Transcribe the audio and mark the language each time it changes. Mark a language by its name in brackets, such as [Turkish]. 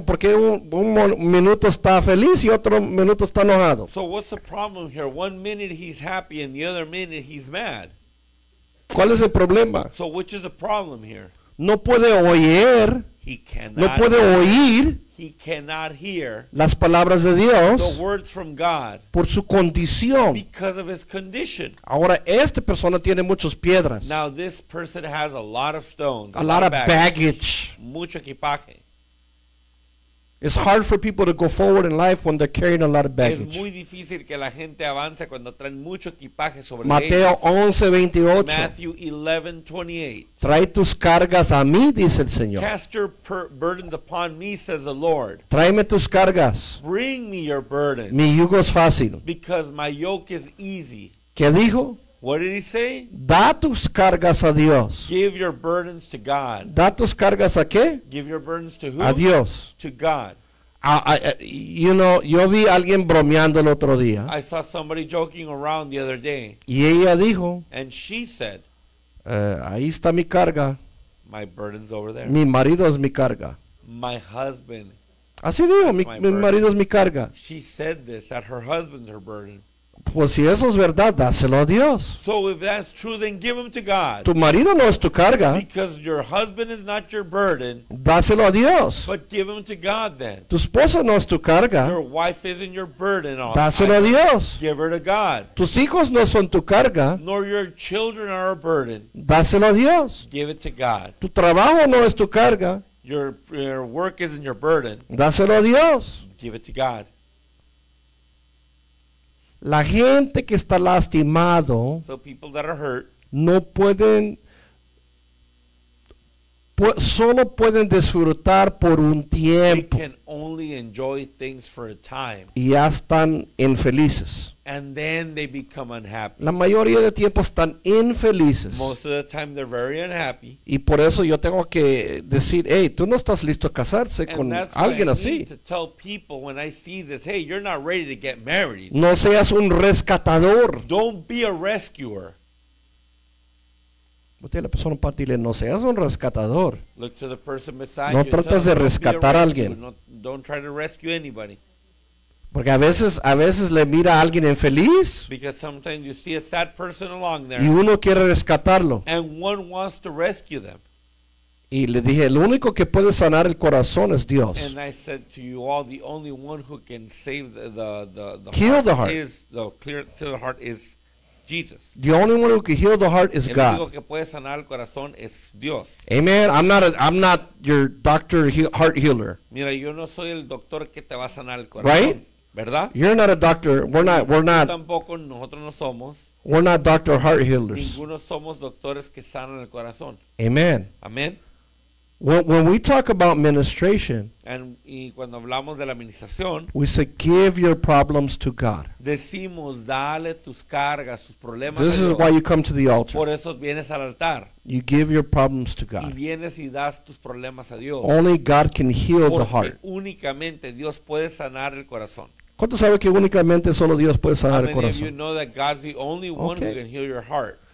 [Spanish] ¿Por qué un minuto está feliz y otro minuto está enojado? [English] So, what's the problem here? One minute he's happy and the other minute he's mad. [Spanish] ¿Cuál es el problema? [English] So, which is the problem here? [Spanish] No puede oír. [English] He cannot [Spanish] no puede hear. Oír. [English] He cannot hear [Spanish] las palabras de Dios [English] the words from God [Spanish] por su condición. [English] Because of his condition. [Spanish] Ahora, esta persona tiene muchas piedras. [English] Now, this person has a lot of stones. A lot of baggage. [Spanish] Mucho equipaje. [English] It's hard for people to go forward in life when they're carrying a lot of baggage. [Spanish] Es muy difícil que la gente avance cuando traen mucho equipaje sobre Mateo ellos. 11:28. [English] Matthew 11:28. [Spanish] Trae tus cargas a mí, dice el Señor. [English] Cast your burdens upon me, says the Lord. [Spanish] Tráeme tus cargas. [English] Bring me your burdens. [Spanish] Mi yugo es fácil. [English] Because my yoke is easy. [Spanish] ¿Qué dijo? [English] What did he say? [Spanish] Da tus cargas a Dios. [English] Give your burdens to God. [Spanish] Da tus cargas a qué? [English] Give your burdens to who? [Spanish] A Dios. [English] To God. You know, [Spanish] yo vi a alguien bromeando el otro día. [English] I saw somebody joking around the other day. [Spanish] Y ella dijo. [English] And she said. [Spanish] Ahí está mi carga. [English] My burden's over there. [Spanish] Mi marido es mi carga. [English] My husband. [Spanish] Así dijo, mi marido es mi carga. [English] She said this, that her husband's her burden. [Spanish] Pues si eso es verdad, dáselo a Dios. [English] So if that's true, then give him to God. [Spanish] Tu marido no es tu carga. [English] Because your husband is not your burden. [Spanish] Dáselo a Dios. [English] But give him to God then. [Spanish] Tu esposa no es tu carga. [English] Your wife isn't your burden. [Spanish] Dáselo a Dios. [English] Give her to God. [Spanish] Tus hijos no son tu carga. [English] Nor your children are a burden. [Spanish] Dáselo a Dios. [English] Give it to God. [Spanish] Tu trabajo no es tu carga. [English] Your work isn't your burden. [Spanish] Dáselo a Dios. [English] Give it to God. [Spanish] La gente que está lastimado [English] so people that are hurt, [Spanish] no pueden solo pueden disfrutar por un tiempo. [English] They can only enjoy things for a time. [Spanish] Y ya están infelices. [English] And then they become unhappy. [Spanish] La mayoría de tiempo están infelices. [English] Most of the time they're very unhappy. [Spanish] Y por eso yo tengo que decir, hey, tú no estás listo a casarse [English] and [Spanish] con alguien así. [English] I need to tell people when I see this, hey, you're not ready to get married. [Spanish] No seas un rescatador. [English] Don't be a rescuer. [Spanish] Voltea a la persona para ti y le dice, no seas un rescatador. [English] Look to the person beside [Spanish] no trates de rescatar a alguien. No, [English] don't try to rescue anybody. [Spanish] Porque a veces le mira a alguien infeliz. [English] Because sometimes you see a sad person along there. [Spanish] Y uno quiere rescatarlo. [English] And one wants to rescue them. [Spanish] Y le dije, el único que puede sanar el corazón es Dios. [English] And I said to you all, the only one who can save the heal the heart. Is, the clear to the heart is Jesus. The only one who can heal the heart is God. El único que puede sanar el corazón es Dios. Amen. I'm not your doctor heart healer. [Spanish] Mira, yo no soy el doctor que te va a sanar el corazón. [English] Right? [Spanish] ¿Verdad? [English] You're not a doctor. We're not. [Spanish] Tampoco nosotros no somos. [English] We're not doctor heart healers. [Spanish] Ninguno somos doctores que sanan el corazón. Amen. Amen. [English] When we talk about ministration, [Spanish] and y cuando hablamos de la administración, [English] we say give your problems to God. [Spanish] Decimos dale tus cargas, tus problemas. [English] This is why you come to the altar. [Spanish] Por eso vienes al altar. [English] You give your problems to God. [Spanish] Y vienes y das tus problemas a Dios. [English] Only God can heal the heart. [Spanish] Porque únicamente Dios puede sanar el corazón. ¿Cuánto sabe que únicamente solo Dios puede sanar el corazón? [English] You know that God's the only one who can heal your heart.